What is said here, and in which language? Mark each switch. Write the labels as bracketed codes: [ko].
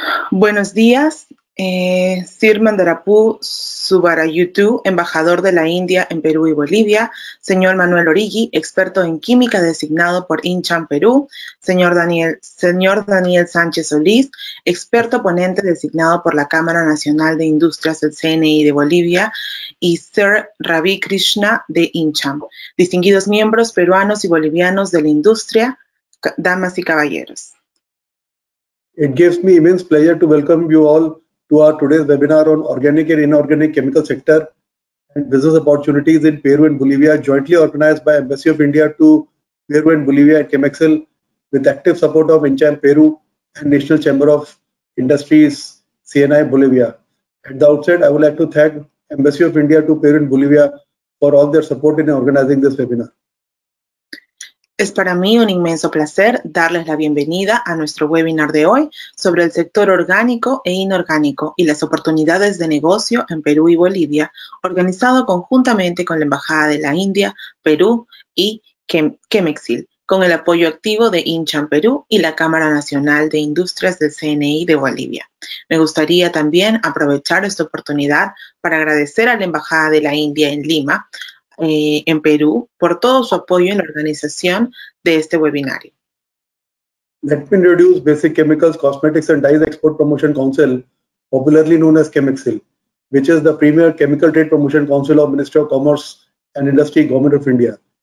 [es] Buenos días, Sir Mandarappu Subbaraidu, embajador de la India en Perú y Bolivia, señor Manuel Origi, experto en química designado por INCHAM Perú, señor Daniel Sánchez Solís, experto ponente designado por la Cámara Nacional de Industrias del CNI de Bolivia, y Sir Ravi Krishna de INCHAM, distinguidos miembros peruanos y bolivianos de la industria, damas y caballeros. [en] It gives me immense pleasure to welcome you all to our today's webinar on organic and inorganic chemical sector and business opportunities in Peru and Bolivia, jointly organized by Embassy of India to Peru and Bolivia at Chemexil, with active support of INCHAM Peru and National Chamber of Industries, CNI Bolivia. At the outset, I would like to thank Embassy of India to Peru and Bolivia for all their support in organizing this webinar. [es] Es para mí un inmenso placer darles la bienvenida a nuestro webinar de hoy sobre el sector orgánico e inorgánico y las oportunidades de negocio en Perú y Bolivia, organizado conjuntamente con la Embajada de la India, Perú y Chemexil, con el apoyo activo de INCHAM Perú y la Cámara Nacional de Industrias del CNI de Bolivia. Me gustaría también aprovechar esta oportunidad para agradecer a la Embajada de la India en Lima, en Perú, por todo su apoyo en la organización de este webinario. [en] Let me introduce Basic Chemicals, Cosmetics and Dyes Export Promotion Council, popularly known as Chemexil, which is the premier chemical trade promotion council of Ministry of Commerce and Industry, Government of India.